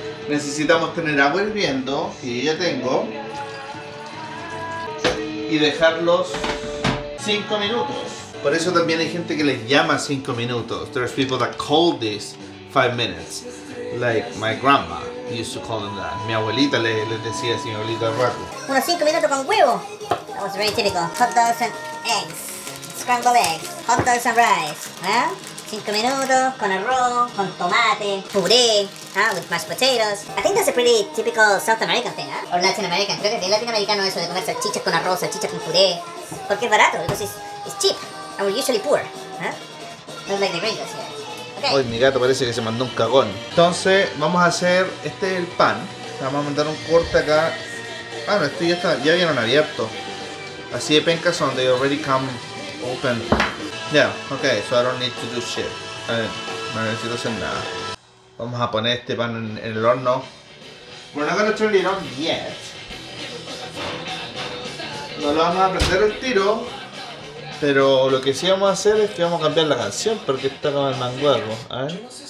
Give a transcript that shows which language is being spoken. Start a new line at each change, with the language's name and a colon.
Spanish: Necesitamos tener agua hirviendo, que yo ya tengo, y dejarlos 5 minutos. Por eso también hay gente que les llama 5 minutos.
English: There's people that call this 5 minutes, like my grandma. Used to call them that.
Spanish: Mi abuelita le decía así, mi abuelita de rato. Unos 5 minutos con huevo.
English: That was very typical. Hot dogs and eggs. Scrambled eggs. Hot dogs and rice.
Spanish: 5 minutos con arroz, con tomate, puré,
English: with mashed potatoes. I think that's a pretty typical South American thing, or Latin American.
Spanish: Creo que es bien latinoamericano eso de comer salchichas con arroz, salchichas con puré. Porque es barato,
English: because it's cheap. And we're usually poor. Not like the gringos here.
Spanish: Uy, mi gato parece que se mandó un cagón. Entonces, vamos a hacer, este es el pan. Vamos a mandar un corte acá. Ah, no, esto ya está, ya vieron abierto. Así de pencas son,
English: they already come open. Yeah, okay, so I don't need to do shit.
Spanish: A ver, no necesito hacer nada. Vamos a poner este pan en el horno.
English: We're not gonna turn it on yet.
Spanish: No lo vamos a prender el tiro. Porque vamos a hacer el tiro. Pero lo que sí vamos a hacer es que vamos a cambiar la canción porque está con el manguerro, a ver.